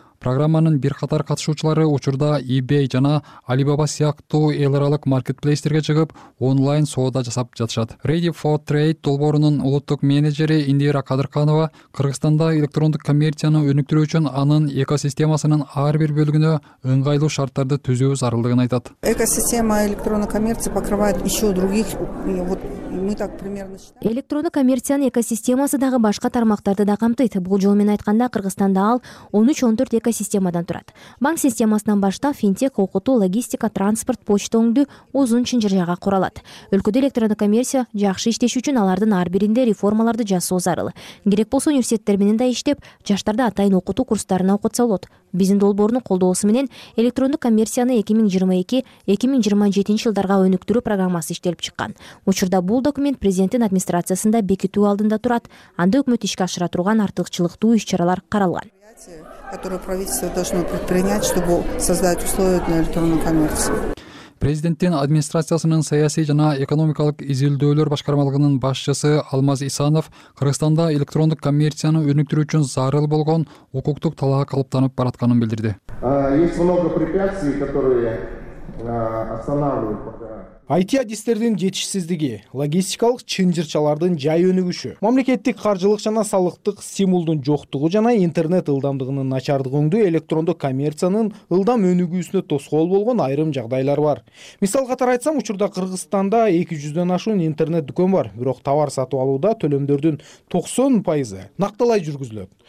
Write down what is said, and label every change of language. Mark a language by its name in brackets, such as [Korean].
[Kyrgyz] Программанын бир катар катышуучулары учурда eBay жана Alibaba сыяктуу эл аралык маркетплейстерге чыгып, онлайн соода жасап жатышат. Ready for Trade долбоорунун улуттук менеджери Индира Кадырканова Кыргызстанда электрондук коммерцияны өнүктүрүү үчүн анын экосистемасынын ар бир бөлүгүнө ыңгайлуу шарттарды түзүү зарылдыгын айтат. [Russian] Экосистема электронной коммерции покрывает еще других [Kyrgyz] Электронды коммерциянын экосистемасы дагы башка тармактарды да камтыйт. Бул жол менен айтканда, Кыргызстанда ал 13-14 экосистемадан турат. Банк системасынан баштап, финтек, окутуу, логистика, транспорт, почта өңдөө узун чынжыр жага куралат. Өлкөдө электронды коммерция жакшы иштеши үчүн алардын ар биринде реформаларды жасоо зарыл. Керек болсо университеттер менен да иштеп, жаштарды атайын окутуу курстарына окутса болот. Биздин долбоорунун колдоосу менен электрондук коммерцияны 2022-2027 жылдарга өнүктүрүү программасы иштелип чыккан. Учурда бул документ президенттин администрациясында бекитүү алдында турат. Анда өкмөт ишке ашыра турган артыкчылыктуу иш-чаралар каралган. [Russian] Которые правительство должно предпринять, чтобы создать условия для электронной коммерции. [Kyrgyz] Президенттин администрациясынын саясий жана экономикалык изилдөөлөр башкармалыгынын башчысы Алмаз Исанов Кыргызстанда электрондук коммерцияны өнүктүрүү үчүн зарыл болгон укуктук талаа калыптанып баратканын билдирди. [Russian] Есть много препятствий, которые останавливают [Kyrgyz] IT-адистердин жетишсиздиги, логистикалык чынжырчалардын жай өнүгүшү, мамлекеттик каржылык жана салыктык стимулдун жоктугу жана интернет ылдамдыгынын начардыгы өңдүү электрондук коммерциянын ылдам өнүгүүсүнө тоскоол болгон айрым жагдайлар бар. Мисал катары айтсам, учурда Кыргызстанда 200-дөн ашуун интернет дүкөн бар, бирок товар сатып алууда төлөмдөрдүн 90% накталай жүргүзүлөт.